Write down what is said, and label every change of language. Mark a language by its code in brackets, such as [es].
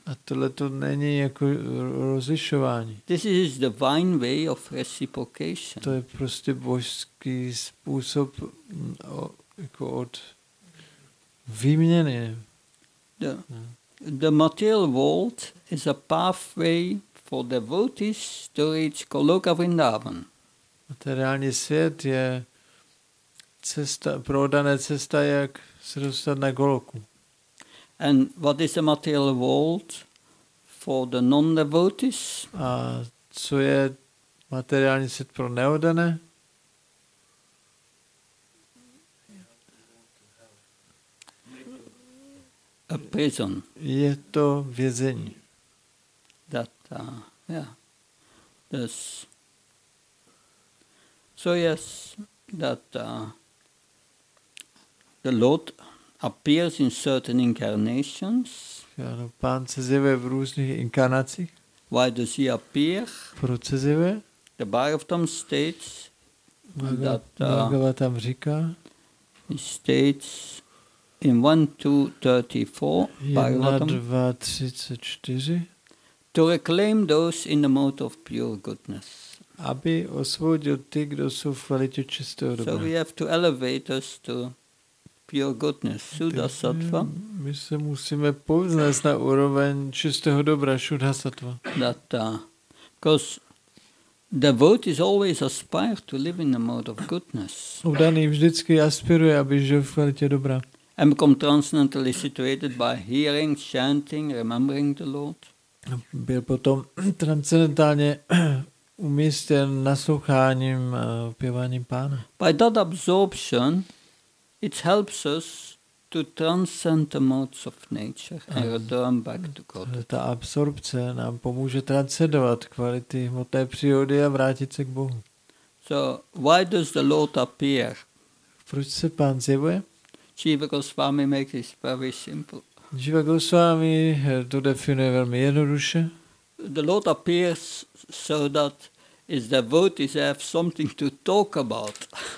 [cs] A tohle to není jako rozlišování. [en] This is divine way of reciprocation. [cs] To je prostě božský způsob jako od výměny. [en] The material world is a pathway for devotees to reach Goloka Vrindavan. [cs] Materiální svět je cesta, prodaná cesta, jak se dostat na Goloku. [en] And what is the material world for the non-devotees? [cs] A co je materiální svět pro neodané? [en] A prison. [cs] Je to vězení. [en] That, yeah. This. So yes, that the Lord appears in certain incarnations. [cs] Ano, pán se zjevuje v různých inkarnacích. [en] Why does he appear? [cs] Proč se zjevuje? [en] The Bhagavatam states [cs] that Bhagavatam říká. [en] He states in 1:2:34, to reclaim those in the mode of pure goodness. [cs] Aby osvobodil ty, kdo jsou v kvalitě čistého dobra. [en] So we have to elevate us to pure goodness, Sudha Sattva. [cs] My se musíme povznést na úroveň čistého dobra, Sudha Sattva. [en] That, because devotees always aspire to live in the mode of goodness. [cs] Udaný vždycky aspiruje, aby žil v kvalitě dobra. [en] And become transcendentally situated by hearing, chanting, remembering the Lord. [cs] Byl potom transcendentálně umístěn nasloucháním a opěváním pána. [en] By that absorption, it helps us to transcend the modes of nature and return back to God. [cs] Ta absorpce nám pomůže transcendovat kvality hmotné přírody a vrátit se k Bohu. [en] So, why does the Lord appear? [cs] Proč se pán zjevuje? [en] Jiva Goswami makes this very simple. [cs] Jiva Goswami to definuje velmi jednoduše. [en] The Lord appears so that his devotees have something to talk about.